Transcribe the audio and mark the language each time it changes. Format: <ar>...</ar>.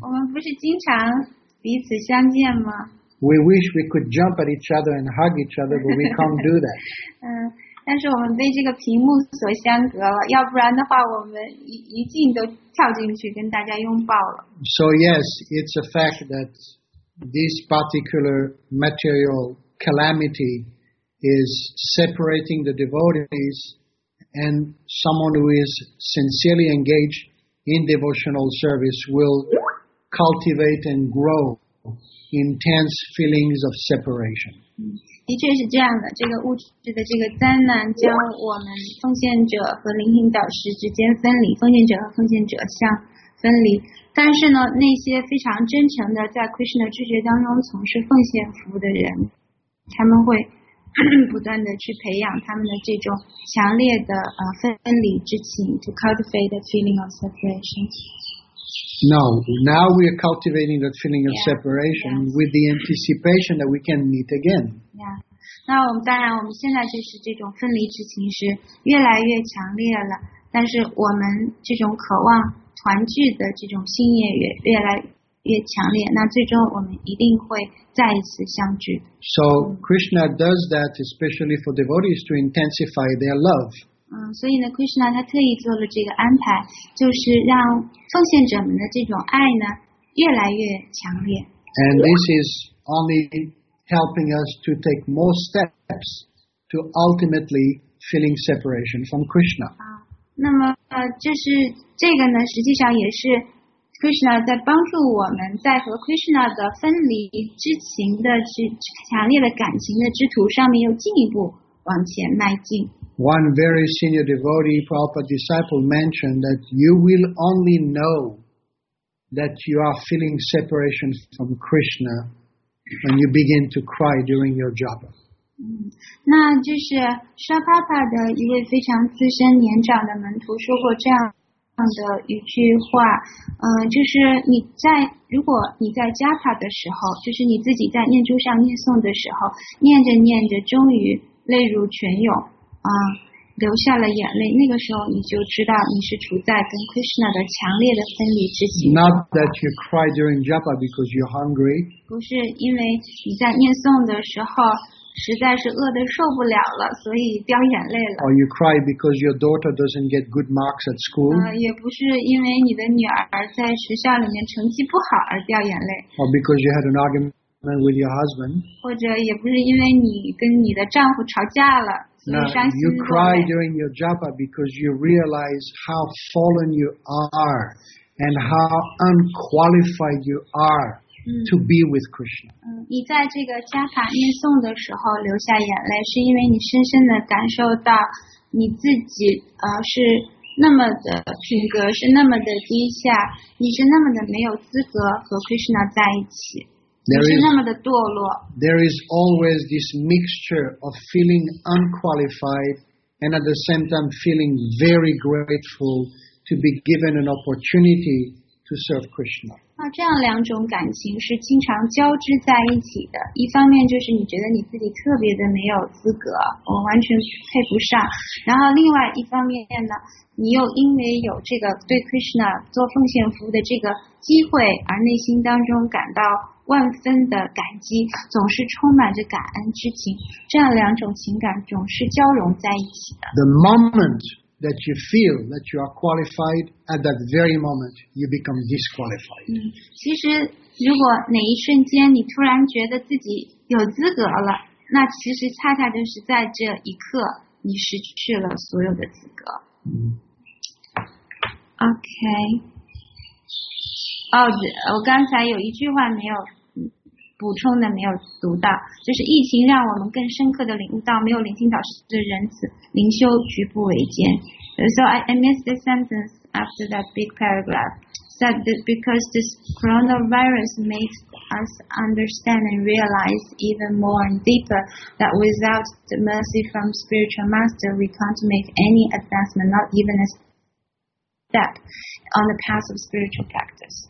<zh>我们不是经常彼此相见吗？</zh> <en>We wish we could jump at each other and hug each other, but we can't do that.</en> <zh>但是我们被这个屏幕所相隔了，要不然的话我们一进都跳进去跟大家拥抱了。</zh> <en>So yes, it's a fact that this particular material calamity is separating the devotees, and someone who is sincerely engaged in devotional service will cultivate and grow intense feelings of separation.</en> <zh>的确是这样的，这个物质的这个灾难将我们奉献者和灵性导师之间分离，奉献者和奉献者相分离。但是呢，那些非常真诚的在 Krishna 知觉当中从事奉献服务的人，他们会不断的去培养他们的这种强烈的分离之情 ，</zh> <en>to cultivate the feeling of separation. No, now we are cultivating the feeling of separation with the anticipation that we can meet again. Yeah.</en> <zh>那我们当然，我们现在就是这种分离之情是越来越强烈了，但是我们这种渴望团聚的这种心也越来越强烈，那最终我们一定会再一次相聚。</zh> <en>So Krishna does that especially for devotees to intensify their love.</en> <zh>所以呢 ，Krishna 他特意做了这个安排，就是让奉献者们的这种爱呢越来越强烈。</zh> <en>And this is only helping us to take more steps to ultimately feeling separation from Krishna.</en> <zh>那么就是这个呢，实际上也是 Krishna 在帮助我们在和 Krishna 的分离之情的强烈的感情的之途上面又进一步往前迈进。</zh> <en>One very senior devotee, Prabhupada disciple, mentioned that you will only know that you are feeling separation from Krishna when you begin to cry during your japa.</en> <zh>那就是 Shri Prabhupada 的一位非常资深年长的门徒说过这样样的一句话，就是你在如果你在 Japa 的时候，就是你自己在念珠上念诵的时候，念着念着终于泪如泉涌，流下了眼泪，那个时候你就知道你是处在跟 Krishna 的强烈的分离之际。</zh> <en>Not that you cry during Japa because you're hungry.</en> <zh>不是因为你在念诵的时候实在是饿得受不了了，所以掉眼泪了。</zh> <en>Or you cry because your daughter doesn't get good marks at school.</en> <zh>也不是因为你的女儿在学校里面成绩不好而掉眼泪。</zh> <en>Or because you had an argument. With your husband,</en> <zh>或者也不是因为你跟你的丈夫吵架了，所以伤心。</zh> <en>You cry during your japa because you realize how fallen you are and how unqualified you are to be with Krishna.</en> <zh>你在这个加法念诵的时候流下眼泪，是因为你深深的感受到你自己是那么的品格是那么的低下，你是那么的没有资格和 Krishna 在一起。</zh> <en>There is always this mixture of feeling unqualified and at the same time feeling very grateful to be given an opportunity to serve Krishna.</en> <zh>那这样两种感情是经常交织在一起的。一方面就是你觉得你自己特别的没有资格，我完全配不上。然后另外一方面呢，你又因为有这个对 Krishna 做奉献服务的这个机会，而内心当中感到万分的感激，总是充满着感恩之情，这样两种情感总是交融在一起的。</zh> <en>The moment that you feel that you are qualified, at that very moment, you become disqualified.</en> <zh>其实如果哪一瞬间你突然觉得自己有资格了，那其实恰恰就是在这一刻，你失去了所有的资格。</zh> <en>OK。</en> <zh>哦，我刚才有一句话没有补充的，没有读到，就是疫情让我们更深刻的领悟到，没有灵性导师的仁慈，灵修举步维艰。</zh> <en>So I missed the sentence after that big paragraph. Said that because this coronavirus makes us understand and realize even more and deeper that without the mercy from spiritual master, we can't make any advancement, not even a step on the path of spiritual practice.</en>